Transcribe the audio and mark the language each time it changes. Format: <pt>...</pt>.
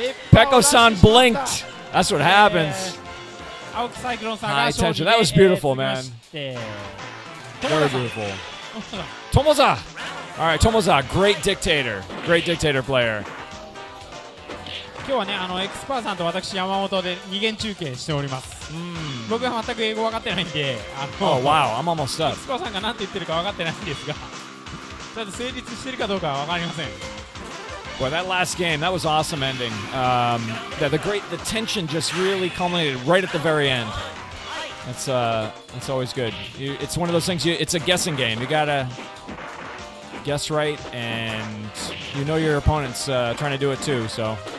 <en>Pekko-san blinked! That's what happens. High tension. That was beautiful, man. Very beautiful. Tomoza! Alright, Tomoza, great dictator. Great dictator player. Today, Expert and I are doing a two-game show.</en> <ja>僕は全く英語分かってないんで、</ja> <en>I'm almost up.</en> <ja>スコアさんが何て言ってるか分かってないんですが、ただ成立してるかどうかは分かりません。</ja> <en>Well, that last game, that was awesome ending. The tension just really culminated right at the very end. That's always good. It's one of those things, it's a guessing game. You gotta guess right, and you know your opponent's trying to do it too, so...</en>